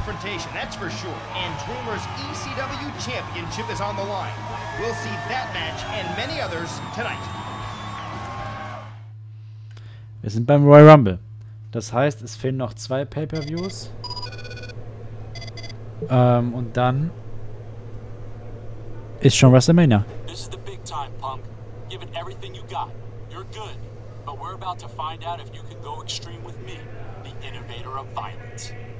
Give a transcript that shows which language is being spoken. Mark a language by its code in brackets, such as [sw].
[en] Confrontation, that's for sure. And Dreamer's ECW Championship is on the line. We'll see that match and many others tonight. [de] Wir sind beim Royal Rumble. Das heißt, es fehlen noch zwei Pay-per-Views. Und dann ist schon WrestleMania. [en] This is the big time, Punk. Given everything you got, you're good. But we're about to find out if you can go extreme with me, the innovator of violence.